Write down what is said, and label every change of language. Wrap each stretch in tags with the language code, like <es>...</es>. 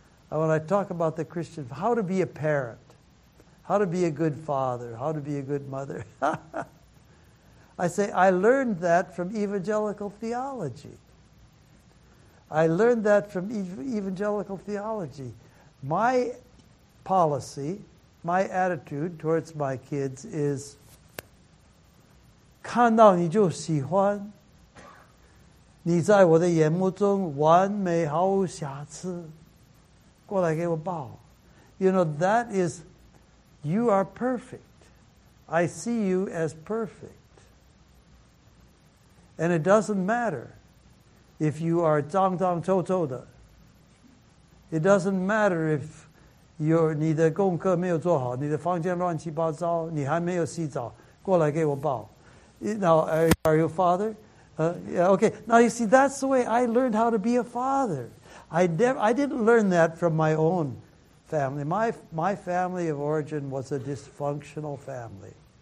<en>And when I talk about the Christian, how to be a parent, how to be a good father, how to be a good mother. I say, I learned that from evangelical theology. I learned that from evangelical theology. My policy, my attitude towards my kids is,</en> <zh>看到你就喜欢,你在我的眼目中完美毫无瑕疵,过来给我抱。</zh> <en>You know, that is, you are perfect. I see you as perfect. And it doesn't matter if you are</en> <zh>zhang zhang chou chou de.</zh> <en>It doesn't matter if you're,</en> <zh>你的功课没有做好,你的房间乱七八糟,你还没有洗澡,过来给我抱。</zh> <en>Now, are you a father? Yeah, okay. Now, you see, that's the way I learned how to be a father. I didn't learn that from my own family. My family of origin was a dysfunctional family.</en>